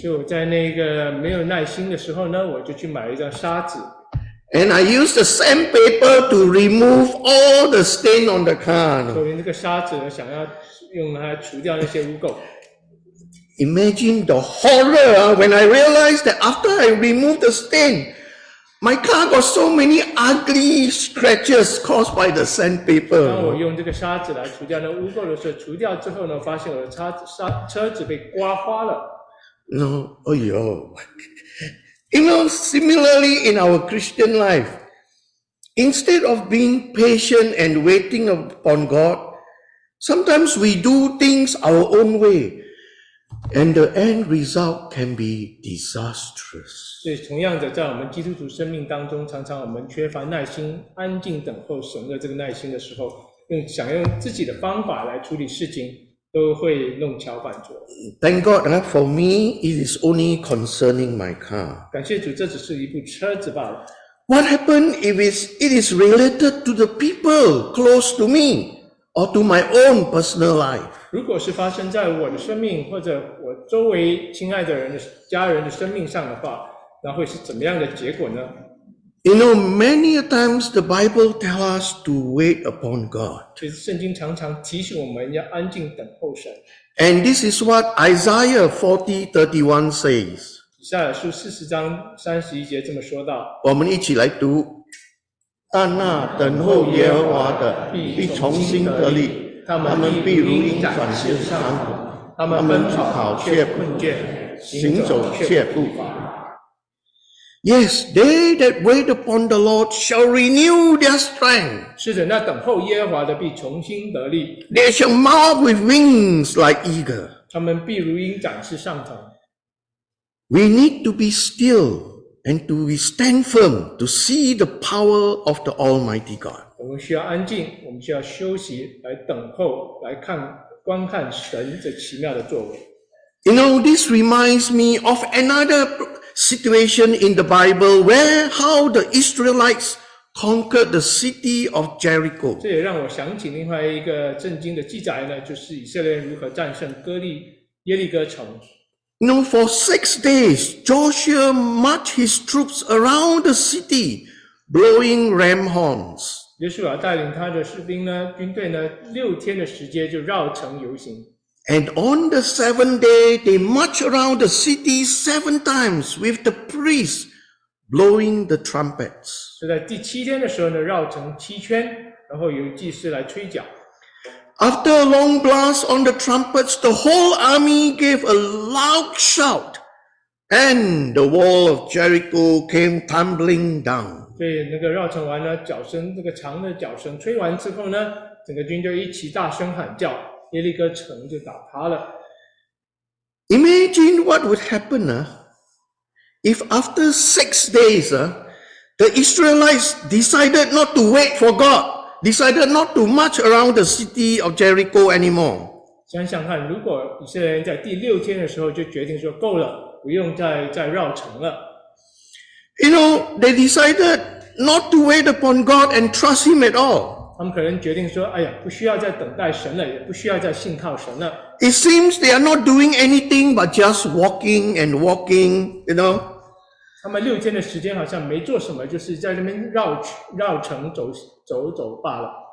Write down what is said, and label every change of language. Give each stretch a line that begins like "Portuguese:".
Chinese: 就在那个没有耐心的时候呢，我就去买一张砂纸。
English: And I used the sandpaper to remove all the stain on the car.
Chinese: 所以那个砂纸呢，想要用它除掉那些污垢。
English: Imagine the horror when I realized that after I removed the stain, my car got so many ugly scratches caused by the sandpaper.
Chinese: 当我用这个砂纸来除掉那污垢的时候，除掉之后呢，发现我的车子被刮花了。
English: No, oh yo. You know, similarly in our Christian life, instead of being patient and waiting upon God, sometimes we do things our own way. And the end result can be disastrous.
Chinese: 所以同样的，在我们基督徒生命当中，常常我们缺乏耐心，安静等候神的这个耐心的时候，想用自己的方法来处理事情，都会弄巧反拙。
English: Thank God, for me, it is only concerning my car.
Chinese: 感谢主，这只是一部车子罢了。
English: What happened if it is related to the people close to me? or to my own personal life.
Chinese: 如果是发生在我的生命或者我周围亲爱的人的家人的生命上的话，那会是怎么样的结果呢？
English: You know, many a times the Bible tells us to wait upon God.
Chinese: 其实圣经常常提醒我们要安静等候神。
English: And this is what Isaiah 40:31 says.
Chinese: 以赛亚书40章31节这么说到。我们一起来读。但那等候耶和华的必重新得力，他们必如鹰展翅上腾，他们出跑却不倦，行走却不乏。
English: Yes, they that wait upon the Lord shall renew their strength.
Chinese: 是的，那等候耶和华的必重新得力。
English: They shall mount with wings like eagle.
Chinese: 他们必如鹰展翅上腾。
English: We need to be still and to stand firm to see the power of the Almighty God.
Chinese: 我们需要安静，我们需要休息，来等候，来看，观看神这奇妙的作为。
English: You know, this reminds me of another situation in the Bible where how the Israelites conquered the city of Jericho.
Chinese: 这也让我想起另外一个圣经的记载呢，就是以色列人如何战胜耶利哥城。
English: You know, for 6 days, Joshua marched his troops around the city, blowing ram horns.
Chinese: 约书亚带领他的士兵呢，军队呢，6天的时间就绕城游行。
English: And on the 7th day, they march around the city 7 times with the priests blowing the trumpets.
Chinese: 是在第七天的时候呢，绕城7圈，然后由祭司来吹角。
English: After a long blast on the trumpets, the whole army gave a loud shout, and the wall of Jericho came tumbling down.
Chinese: 对，那个绕城完了，角声，那个长的角声吹完之后呢，整个军队一起大声喊叫。耶利哥城就倒塌了。
English: Imagine what would happen if after 6 days, the Israelites decided not to wait for God, decided not to march around the city of Jericho anymore.
Chinese: 想想看，如果以色列人在第六天的时候就决定说够了，不用再绕城了。
English: You know, they decided not to wait upon God and trust Him at all.
Chinese: 他们可能决定说：“哎呀，不需要再等待神了，也不需要再信靠神了。”
English: It seems they are not doing anything but just walking and walking, you know.
Chinese: 他们六天的时间好像没做什么，就是在那边绕城走罢了。